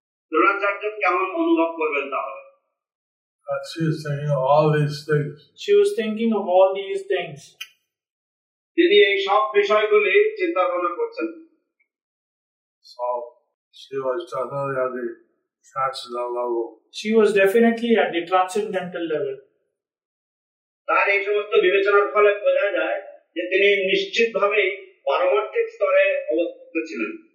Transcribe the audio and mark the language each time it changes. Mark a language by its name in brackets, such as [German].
[Bangla] দ্রোণাচার্য কেমন অনুভব করবেন তাহলে [English] She was thinking of all these things. She was thinking of all these things. [Bangla] তিনি এই সব বিষয়গুলি চিন্তা ভাবনা করছেন [English] So she was definitely at the transcendental level. She was definitely at the transcendental level. [Bangla] তার এই সমস্ত বিবেচনার ফলে বোঝা যায় যে তিনি নিশ্চিতভাবে পারমার্থিক স্তরে অবস্থিত ছিলেন।